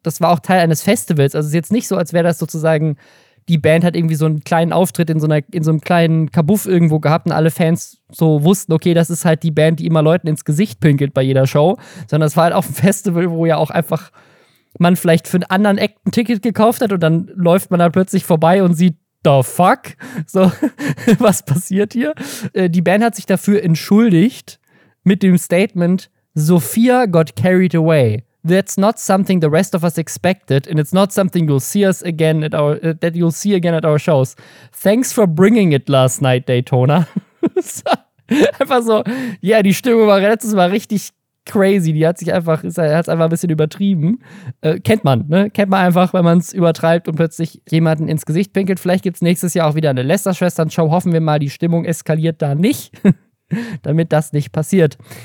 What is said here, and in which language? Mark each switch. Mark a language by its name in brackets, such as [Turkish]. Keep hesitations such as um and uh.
[German] Das war auch Teil eines Festivals. Also, es ist jetzt nicht so, als wäre das sozusagen die Band hat irgendwie so einen kleinen Auftritt in so, einer, in so einem kleinen Kabuff irgendwo gehabt und alle Fans so wussten, okay, das ist halt die Band, die immer Leuten ins Gesicht pinkelt bei jeder Show, sondern es war halt auf einem Festival, wo ja auch einfach man vielleicht für einen anderen Act ein Ticket gekauft hat und dann läuft man da plötzlich vorbei und sieht, [English] the fuck? [German] So, was passiert hier? Äh, Die Band hat sich dafür entschuldigt mit dem Statement, [English] Sophia got carried away. That's not something the rest of us expected, and it's not something you'll see us again at our äh, that you'll see again at our shows. Thanks for bringing it last night, Daytona. [German] einfach so, ja, die Stimmung war letztes Mal richtig crazy. Die hat sich einfach, ist- hat's einfach ein bisschen übertrieben. Äh, kennt man, ne? Kennt man einfach, wenn man es übertreibt und plötzlich jemanden ins Gesicht pinkelt. Vielleicht gibt es nächstes Jahr auch wieder eine Lester-Schwestern-Show. Hoffen wir mal, die Stimmung eskaliert da nicht, damit das nicht passiert.